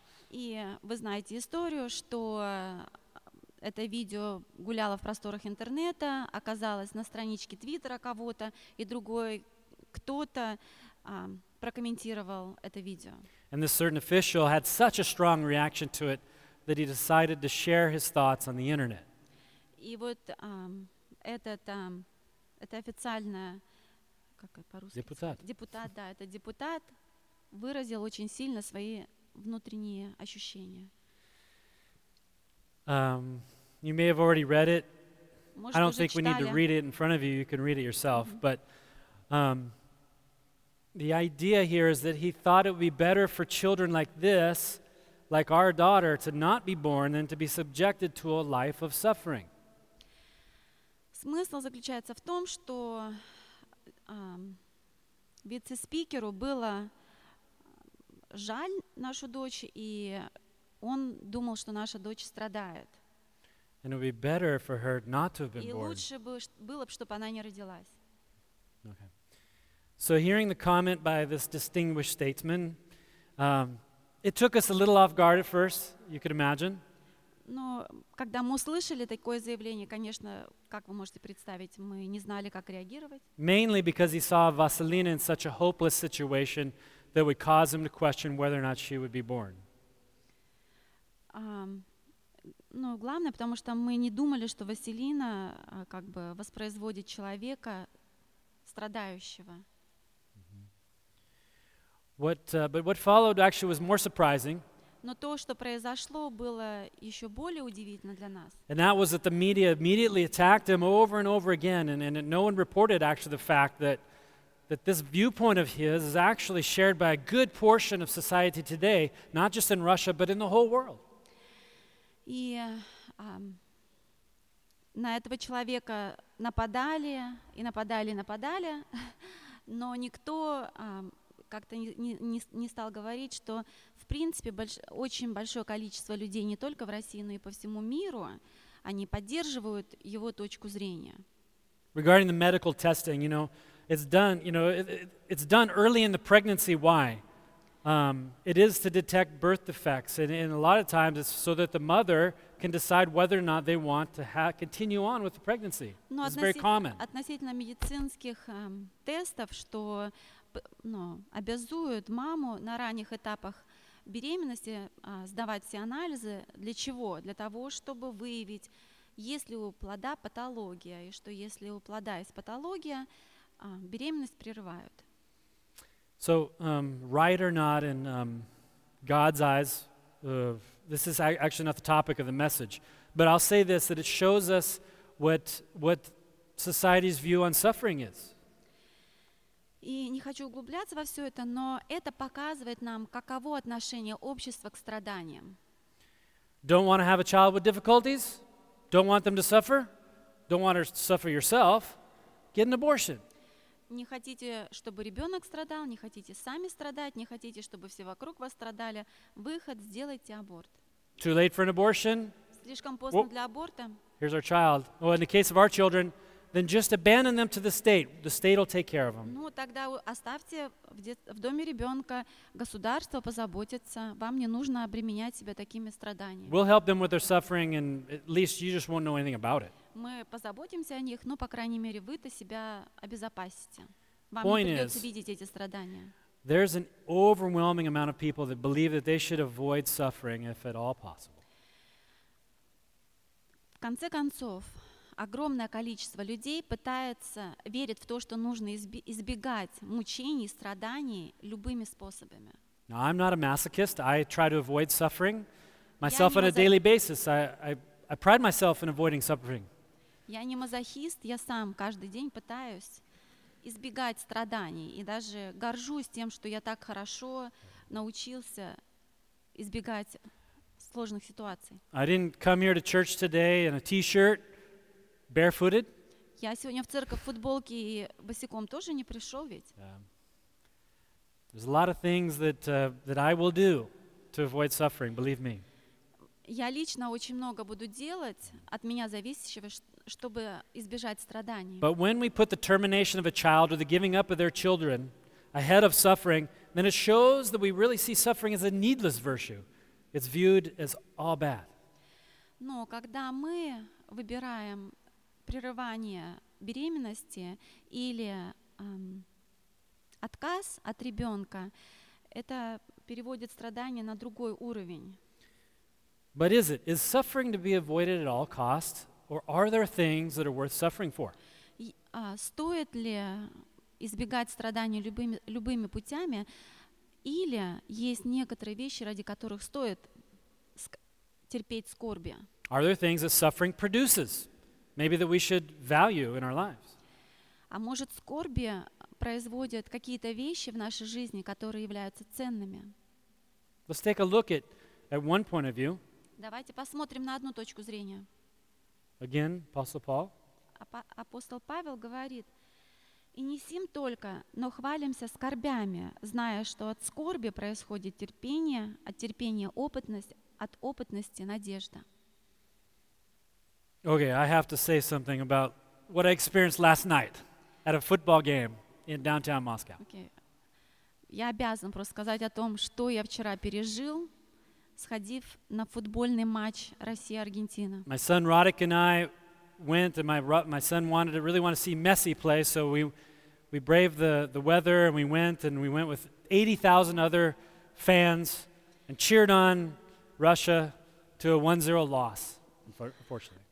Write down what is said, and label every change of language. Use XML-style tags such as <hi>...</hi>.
<ru>И вы знаете историю, что это видео гуляло в просторах интернета, оказалось на страничке Твиттера кого-то, и другой кто-то прокомментировал это видео.</ru> <en>And this certain official had such a strong reaction to it that he decided to share his thoughts on the internet.</en> <ru>И вот это официальное, как по-русски? Депутат. Депутат, да, это депутат, выразил очень сильно свои внутренние ощущения.</ru> <en>You may have already read it. I don't think we need to read it in front of you. You can read it yourself. Mm-hmm. But the idea here is that he thought it would be better for children like this, like our daughter, to not be born than to be subjected to a life of suffering.</en> <ru>Смысл заключается в том, что вице-спикеру было жаль нашу дочь, и он думал, что наша дочь страдает.</ru> <en>And it would be better for her not to have been born.</en> <ru>И лучше было бы, чтобы она не родилась.</ru> <en>Okay. So hearing the comment by this distinguished statesman, it took us a little off guard at first, you could imagine.</en> <ru>Но когда мы услышали такое заявление, конечно, как вы можете представить, мы не знали, как реагировать.</ru> <en>Mainly because he saw Vasilina in such a hopeless situation that would cause him to question whether or not she would be born.</en> <ru>Ну, главное, потому что мы не думали, что Василина как бы воспроизводит человека страдающего.</ru> <en>Mm-hmm. But what followed actually was more surprising.</en> <ru>Но то, что произошло, было еще более удивительно для нас.</ru> <en>And that was that the media immediately attacked him over and over again, and no one reported actually the fact that this viewpoint of his is actually shared by a good portion of society today, not just in Russia, but in the whole world.</en> <ru>И на этого человека нападали, и нападали, и нападали, но никто как-то не стал говорить, что, в принципе, очень большое количество людей не только в России, но и по всему миру, они поддерживают его точку зрения.</ru> <en>Regarding the medical testing, you know, it's done early in the pregnancy, why? It is to detect birth defects, and a lot of times it's so that the mother can decide whether or not they want to continue on with the pregnancy. It's very common.</en> <ru>Относительно медицинских тестов, что обязуют маму на ранних этапах беременности сдавать все анализы, для чего? Для того, чтобы выявить, есть ли у плода патология, и что если у плода есть патология, беременность прерывают.</ru> <en>So, right or not, in God's eyes, this is actually not the topic of the message, but I'll say this, that it shows us what society's view on suffering is.</en> <ru>И не хочу углубляться во все это, но это показывает нам, каково отношение общества к страданиям.</ru> <en>Don't want to have a child with difficulties? Don't want them to suffer? Don't want her to suffer yourself? Get an abortion.</en> <ru>Не хотите, чтобы ребенок страдал, не хотите сами страдать, не хотите, чтобы все вокруг вас страдали. Выход, сделайте аборт.</ru> <en>Too late for an abortion?</en> <ru>Слишком поздно для аборта.</ru> <en>Here's our child. Well, in the case of our children, then just abandon them to the state. The state will take care of them.</en> <ru>Ну, тогда оставьте в доме ребенка, государство позаботится. Вам не нужно обременять себя такими страданиями.</ru> <en>We'll help them with their suffering, and at least you just won't know anything about it.</en> <ru>Мы позаботимся о них, но, по крайней мере, вы-то себя обезопасите. Вам</ru> <en>Point</en> <ru>не придется</ru> <en>is,</en> <ru>видеть эти страдания.</ru> <en>There's an overwhelming amount of people that believe that they should avoid suffering if at all possible.</en> <ru>В конце концов, огромное количество людей пытается верит в то, что нужно избегать мучений, страданий любыми способами.</ru> <en>Now, I'm not a masochist. I try to avoid suffering myself on a daily basis. I pride myself in avoiding suffering.</en> <ru>Я не мазохист, я сам каждый день пытаюсь избегать страданий и даже горжусь тем, что я так хорошо научился избегать сложных ситуаций.</ru> <en>I didn't come here to church today in a t-shirt, barefooted.</en> <ru>Я сегодня в церковь в футболке и босиком тоже не пришел ведь.</ru> <en>There's a lot of things that that I will do to avoid suffering, believe me.</en> <ru>Я лично очень много буду делать от меня зависящего, чтобы избежать страданий.</ru> <en>But when we put the termination of a child or the giving up of their children ahead of suffering, then it shows that we really see suffering as a needless virtue. It's viewed as all bad.</en> <ru>Но когда мы выбираем прерывание беременности или отказ от ребенка, это переводит страдания на другой уровень.</ru> <en>But is it? Is suffering to be avoided at all costs? Or are there things that are worth suffering for?</en> <ru>Стоит ли избегать страданий любыми путями? Или есть некоторые вещи, ради которых стоит терпеть скорби?</ru> <en>Are there things that suffering produces? Maybe that we should value in our lives?</en> <ru>А может, скорби производят какие-то вещи в нашей жизни, которые являются ценными?</ru> <en>Let's take a look at one point of view.</en> <ru>Давайте посмотрим на одну точку зрения.</ru> <en>Again, Apostle Paul.</en> <ru>Апостол Павел говорит: «И не сим только, но хвалимся скорбями, зная, что от скорби происходит терпение, от терпения опытность, от опытности надежда».</ru> <en>Okay, I have to say something about what I experienced last night at a football game in downtown Moscow. Okay.</en> <ru>Я обязан просто сказать о том, что я вчера пережил, сходив на футбольный матч Россия-Аргентина.</ru> <en>My son Roddick and I went, and my son wanted to really want to see Messi play, so we braved the weather and we went with 80,000 other fans and cheered on Russia to a 1-0 loss, unfortunately.</en>